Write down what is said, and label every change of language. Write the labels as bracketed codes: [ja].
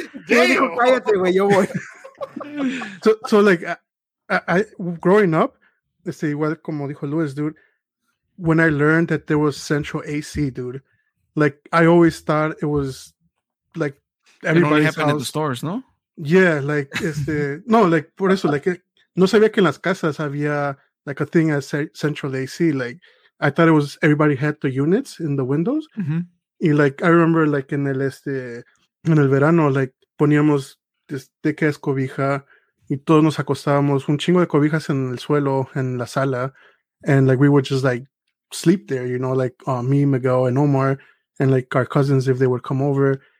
[es] Cállate, güey. Yo voy. [en] So like I growing up, let's say, well, [es] como dijo Luis, [en] dude, when I learned that there was central AC, dude, like I always thought it was like everybody happened house. In the stores, no? Yeah, like no, like [es] por eso, like no sabía que en las casas había [en] like a thing as central AC. Like I thought it was everybody had the units in the windows. Mm-hmm. And like I remember like in [es] el in el verano, [en] like [es] poníamos de que es cobija y todos nos acostábamos un chingo de cobijas en el suelo en la sala, [en] and like we would just like sleep there, you know, like me, Miguel, and Omar, and like our cousins if they would come over.